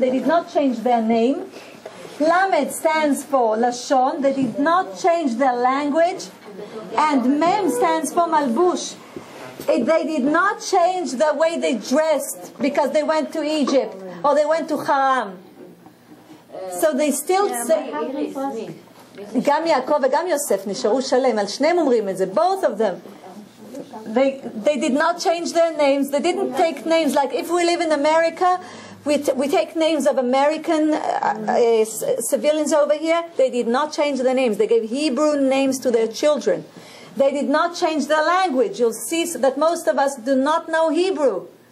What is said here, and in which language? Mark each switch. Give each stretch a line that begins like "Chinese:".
English: They did not change their name. Lamed stands for Lashon. They did not change their language. And Mem stands for Malbush. They did not change the way they dressed because they went to Egypt or they went to Haram. So they still say...
Hebrew: גם יעקב וגם יוסף נשארו שלם, על שניהם אומרים את זה,
English: both of them. They did not change their names, they didn't take names, like if we live in America, we take names of American civilians over here, they did not change their names, they gave Hebrew names to their children. They did not change their language, you'll see that most of us do not know Hebrew.